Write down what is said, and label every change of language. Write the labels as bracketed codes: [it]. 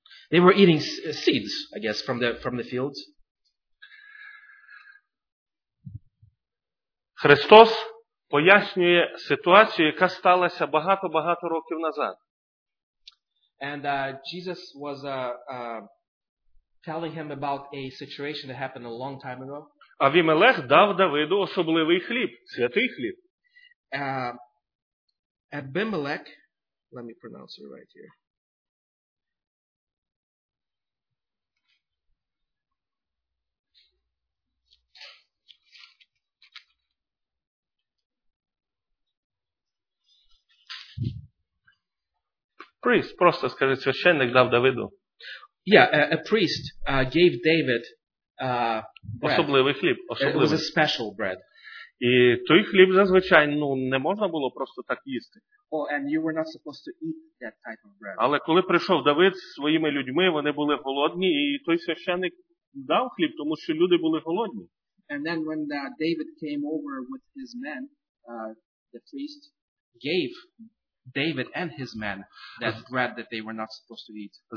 [en] They were eating seeds, I guess, from the fields. [uk] Христос пояснює ситуацію, яка сталася багато-багато років назад. [en] And Jesus was telling him about a situation that happened a long time ago. [uk] Авімелех дав Давиду особливий хліб, святий хліб. Абімелех, [en] let me pronounce it right here. Priest, [uk] просто скажи, священник дав Давиду. [en] Yeah, a priest gave David bread. [uk] Особливий хліб. Особливий. [en] It was a special bread. [uk] І той хліб, зазвичай, не можна було просто так їсти. [en] Oh, and you were not supposed to eat that type of bread. [uk] Але коли прийшов Давид зі своїми людьми, вони були голодні, і той священник дав хліб, тому що люди були голодні. [en] And then when David came over with his men, the priest gave David and his men that bread that they were not supposed to eat.